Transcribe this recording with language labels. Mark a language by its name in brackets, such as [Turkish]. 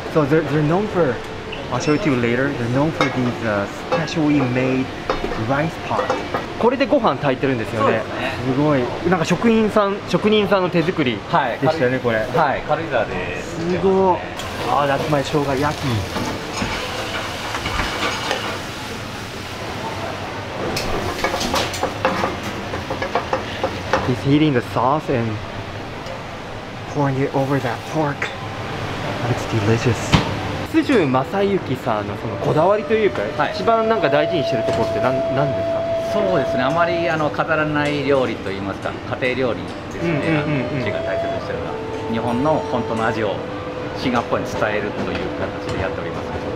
[English] So they're known for, I'll show it to you later, they're known for these specially made rice pots. [Japanese] これでご飯炊いてるんですよね。そうですね。すごい。なんか職人さんの手作りでしたね、はい、これ。はい、軽井沢です。 すごい。ああ、 [English] that's my [Japanese] 生姜焼き。 [English] He's heating the sauce and pouring it over that pork. It's delicious. [Japanese] スジュマサユキさんのそのこだわりというか、はい、一番なんか大事にしてるところって何ですか？そうですね、あまり飾らない料理といいますか、家庭料理ですね、うちが大切にしてるのは、日本の本当の味をシンガポールに伝えるという形でやっております。